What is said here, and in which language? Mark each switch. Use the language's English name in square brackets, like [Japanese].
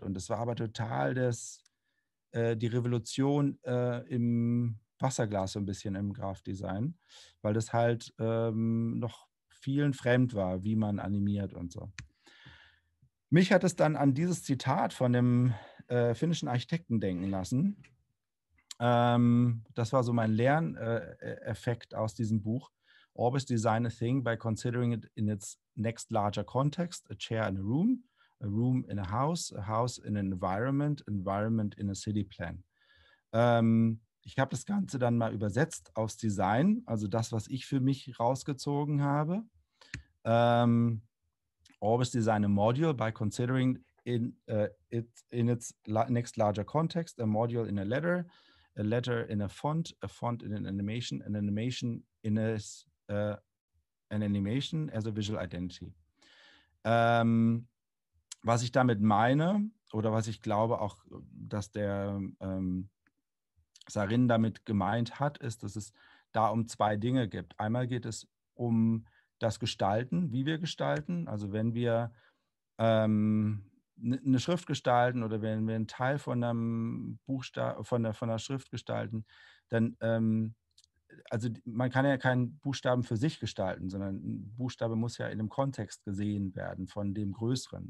[German] Und das war aber total die Revolution im Wasserglas so ein bisschen im Graphdesign, weil das halt noch vielen fremd war, wie man animiert und so. Mich hat es dann an dieses Zitat von dem finnischen Architekten denken lassen. Das war so mein Lerneffekt aus diesem Buch. [English] Always design a thing by considering it in its next larger context. A chair in a room in a house in an environment, environment in a city plan. [German] Ich habe das Ganze dann mal übersetzt aufs Design, also das, was ich für mich rausgezogen habe. [English] Always design a module by considering in its next larger context, a module in a letter in a font in an animation in as an animation as a visual identity. [German] Was ich damit meine, oder was ich glaube auch, dass der Sarin damit gemeint hat, ist, dass es da um zwei Dinge gibt. Einmal geht es um das Gestalten, wie wir gestalten, also wenn wir eine Schrift gestalten oder wenn wir einen Teil von einem Buchstaben von der Schrift gestalten, dann also man kann ja keinen Buchstaben für sich gestalten, sondern ein Buchstabe muss ja in dem Kontext gesehen werden von dem Größeren.